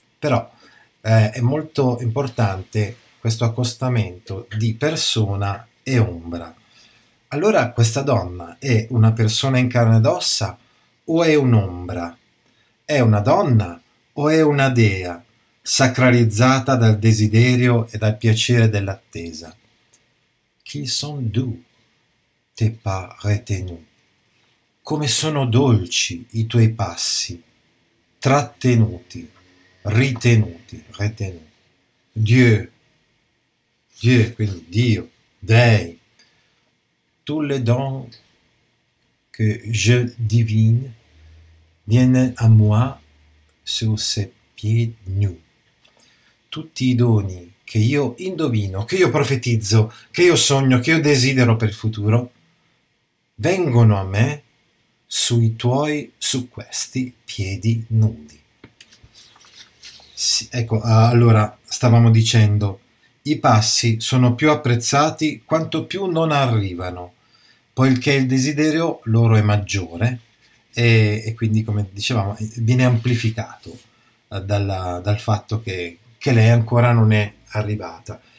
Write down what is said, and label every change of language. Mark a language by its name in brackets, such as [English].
[Italian] Però è molto importante questo accostamento di persona e ombra. Allora, questa donna è una persona in carne ed ossa o è un'ombra? È una donna o è una dea sacralizzata dal desiderio e dal piacere dell'attesa? [French] Qui sont doux tes pas retenus. [Italian] Come sono dolci i tuoi passi, trattenuti, ritenuti, retenuti. [French] Dieu, Dieu, [Italian] quindi Dio, Dei. [French] Tous les dons que je divine viennent à moi sur ces pieds nus. [Italian] Tutti i doni che io indovino, che io profetizzo, che io sogno, che io desidero per il futuro, vengono a me sui tuoi, su questi piedi nudi. Sì, ecco, allora, stavamo dicendo, i passi sono più apprezzati quanto più non arrivano, poiché il desiderio loro è maggiore e quindi, come dicevamo, viene amplificato dal fatto che lei ancora non è arrivata.